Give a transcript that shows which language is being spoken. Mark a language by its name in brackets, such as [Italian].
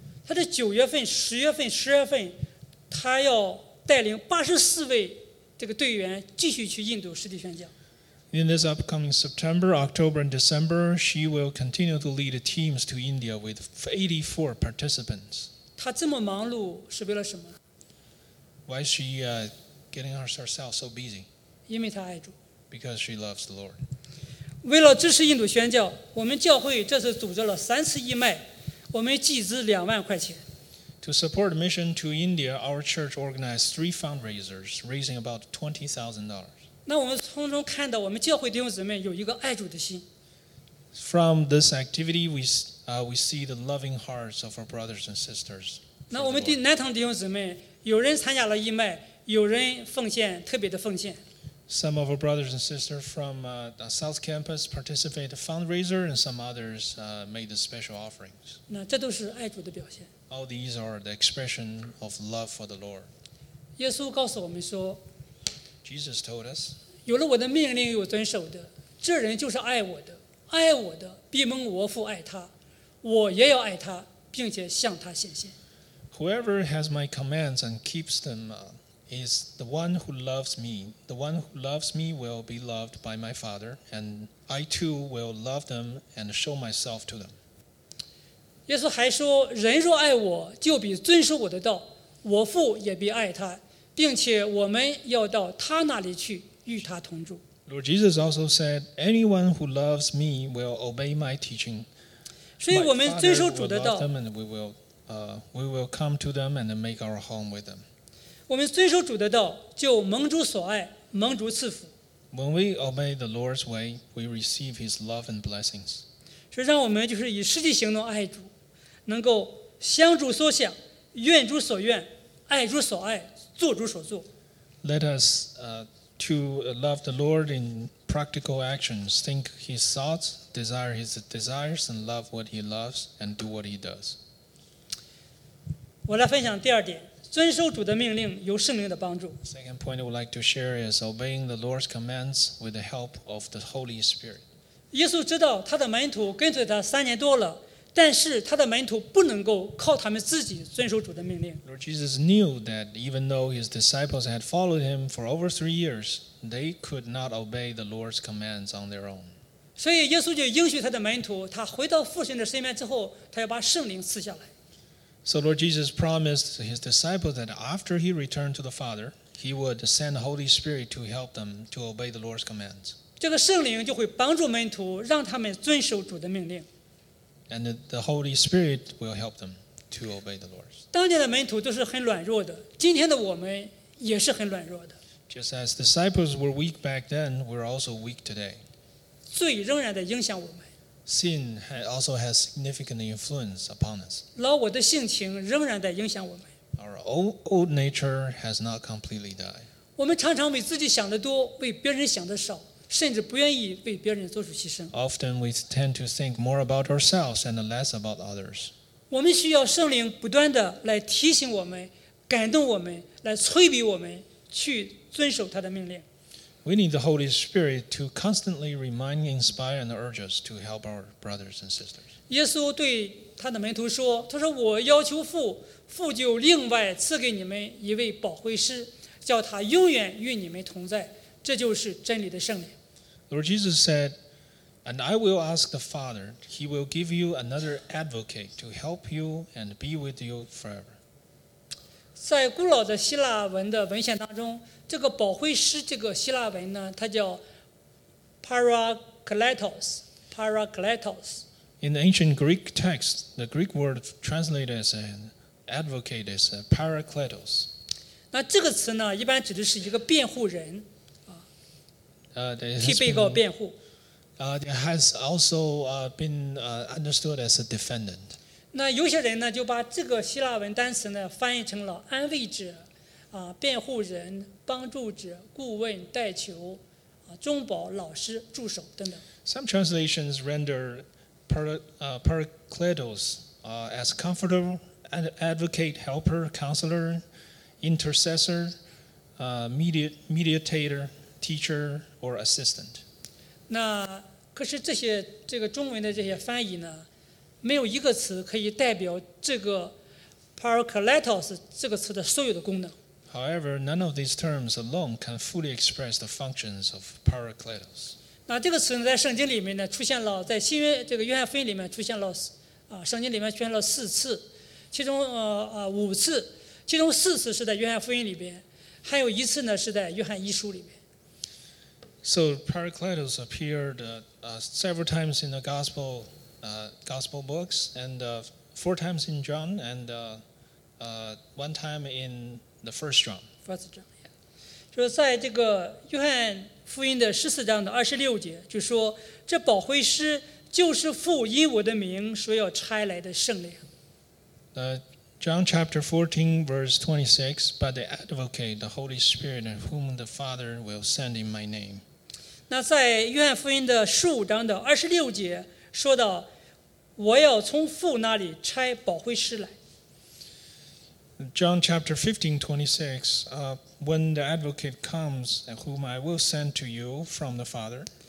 [Chinese] 他在九月份、十月份、十二份，他要带领84位这个队员继续去印度实地宣教。 [English] In this upcoming September, October, and December, she will continue to lead teams to India with 84 participants. [Chinese] 他这么忙碌是为了什么？ [English] Why is she getting herself so busy? [Chinese] 因为她爱主。 [English] Because she loves the Lord. [Chinese] 为了支持印度宣教，我们教会这次组织了三次义卖，我们集资20,000块钱。 [English] To support mission to India, our church organized 3 fundraisers, raising about $20,000. [Chinese] 那我们从中看到，我们教会弟兄姊妹有一个爱主的心。 [English] From this activity, we see the loving hearts of our brothers and sisters. [Chinese] 那我们南堂弟兄姊妹，有人参加了义卖，有人奉献特别的奉献。 [English] Some of our brothers and sisters from the South Campus participated in a fundraiser, and some others made the special offerings. [Chinese] 那这都是爱主的表现。 [English] All these are the expression of love for the Lord. [Chinese] 耶稣告诉我们说， [English] Jesus told us, [Chinese] 有了我的命令有遵守的，这人就是爱我的，爱我的必蒙我父爱他，我也要爱他，并且向他显现。 [English] Whoever has my commands and keeps them, is the one who loves me. The one who loves me will be loved by my Father, and I too will love them and show myself to them. [Chinese] 耶稣还说，人若爱我，就必遵守我的道，我父也必爱他，并且我们要到他那里去，与他同住。 [English] Lord Jesus also said, anyone who loves me will obey my teaching. [Chinese] 所以我们遵守主的道， [English] my Father will love them, and we will come to them and make our home with them. [Chinese] 我们遵守主的道，就蒙主所爱，蒙主赐福。 [English] When we obey the Lord's way, we receive His love and blessings. [Chinese] 所以，让我们就是以实际行动爱主，能够想主所想，愿主所愿，爱主所爱，做主所做。 [English] Let us to love the Lord in practical actions, think His thoughts, desire His desires, and love what He loves, and do what He does. [Chinese] 我来分享第二点。遵守主的命令，由圣灵的帮助。 [English] Second point I would like to share is obeying the Lord's commands with the help of the Holy Spirit. [Chinese] 耶稣知道他的门徒跟随他3年多了，但是他的门徒不能够靠他们自己遵守主的命令。 [English] Lord Jesus knew that even though his disciples had followed him for over 3 years, they could not obey the Lord's commands on their own. [Chinese] 所以耶稣就应许他的门徒，他回到父神的身边之后，他要把圣灵赐下来。 [English] So Lord Jesus promised his disciples that after he returned to the Father, he would send the Holy Spirit to help them to obey the Lord's commands. [Chinese] 这个圣灵就会帮助门徒，让他们遵守主的命令。 [English] And the Holy Spirit will help them to obey the Lord. [Chinese] 当年的门徒都是很软弱的，今天的我们也是很软弱的。 [English] Just as disciples were weak back then, we're also weak today. [Chinese] 罪仍然在影响我们。 [English] Sin also has significant influence upon us. [Chinese] 老我的性情仍然在影响我们。 [English] Our old nature has not completely died. [Chinese] 我们常常为自己想得多，为别人想得少，甚至不愿意为别人做出牺牲。 [English] Often we tend to think more about ourselves and less about others. [Chinese] 我们需要圣灵不断地来提醒我们，感动我们，来催逼我们去遵守他的命令。 [English] We need the Holy Spirit to constantly remind, inspire, and urge us to help our brothers and sisters. [Chinese] 耶稣对他的门徒说，他说，我要求父，父就另外赐给你们一位保惠师，叫他永远与你们同在。这就是真理的圣灵。 [English] Lord Jesus said, And I will ask the Father, he will give you another advocate to help you and be with you forever. [Chinese] 在古老的希腊文的文献当中，这个保惠师这个希腊文呢，它叫 Parakletos, Parakletos. [English] In the ancient Greek text, the Greek word translated as an advocate is Parakletos. [Chinese] 那这个词呢，一般指的是一个辩护人，替被告辩护。 [English] It has also been understood as a defendant. [Chinese] 那有些人呢，就把这个希腊文单词呢翻译成了安慰者、辩护人、帮助者、顾问、代求、忠保、老师、助手等等。 [English] Some translations render Parakletos as comforter, advocate, helper, counselor, intercessor, mediator, teacher, or assistant. [Chinese] 那可是这些这个中文的这些翻译呢，没有一个词可以代表这个 Parakletos 这个词的所有的功能。 [English] However, none of these terms alone can fully express the functions of Parakletos. [Chinese] 那这个词呢，在圣经里面呢出现了，在新约这个约翰福音里面出现了，圣经里面出现了四次，其中五次，其中四次是在约翰福音里边，还有一次呢是在约翰一书里面。 [English] So Parakletos appeared several times in the gospel books, and four times in John, and one time in the first John. First John, yeah. [Chinese] 说在这个约翰福音的十四章的二十六节，就说这保惠师就是父因我的名所要差来的圣灵。 [English] John chapter 14, verse 26, by the Advocate, the Holy Spirit, whom the Father will send in my name. [Chinese] 那在约翰福音的十五章的二十六节说到，我要从父那里差保惠师来。 [English] John chapter 15:26, when the Advocate comes, whom I will send to you from the Father.